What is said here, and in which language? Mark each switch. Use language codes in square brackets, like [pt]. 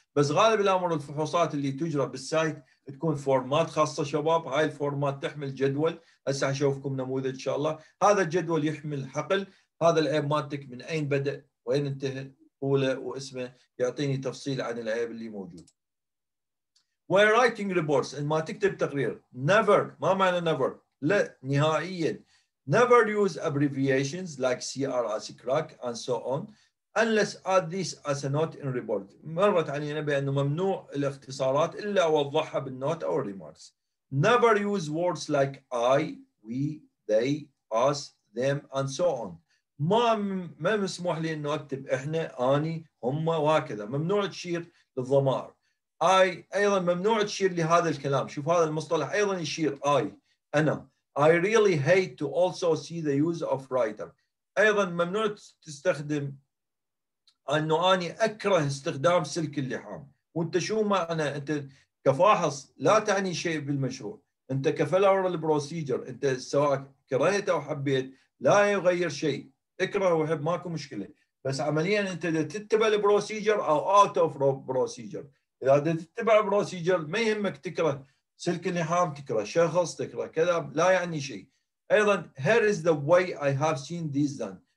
[ar] بس غالب الأمر الفحوصات اللي تجرى بالسايت تكون فورمات خاصة شباب. هاي الفورمات تحمل جدول. هسه هشوفكم نموذج إن شاء الله. هذا الجدول يحمل حقل هذا العيب مالتك من أين بدأ وين انتهى طوله واسمه يعطيني تفصيل عن العيب اللي موجود. [en] When writing reports إن ما تكتب تقرير never ما معنى never لا نهائيا never use abbreviations like CR ACRAC and so on unless add this as a note in report. [ar] مرت علينا بأنه ممنوع الاختصارات إلا أوضحها بالنوت أو remarks. [en] Never use words like I, we, they, us, them and so on. [ar] ما مسموح لي انه اكتب احنا اني هم وهكذا، ممنوع تشير للضمائر اي، ايضا ممنوع تشير لهذا الكلام. شوف هذا المصطلح ايضا يشير اي انا. [en] I really hate to also see the use of writer. [ar] ايضا ممنوع تستخدم انه اني اكره استخدام سلك اللحام. وانت شو معنى انت كفاحص لا تعني شيء بالمشروع، انت كفلاور البروسيجر انت سواء كرهت او حبيت لا يغير شيء، اكره وحب ماكو مشكله، بس عمليا انت تتبع البروسيجر او اوت اوف بروسيجر. اذا تتبع بروسيجر ما يهمك تكره سلك اللحام، تكره شخص، تكره كذا، لا يعني شيء. [en] ايضا here is the way I have seen this done.